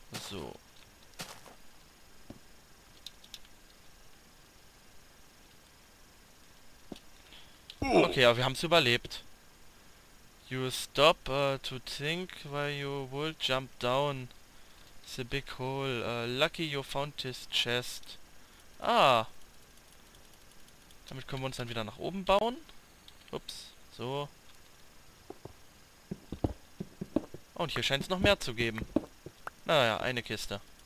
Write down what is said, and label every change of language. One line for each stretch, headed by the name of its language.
German: So. Okay, aber wir haben es überlebt.
English: You stop to think why you would jump down the big hole. Lucky you found this chest. Ah.
German: Damit können wir uns dann wieder nach oben bauen. Ups. So. Und hier scheint es noch mehr zu geben. Naja, eine Kiste.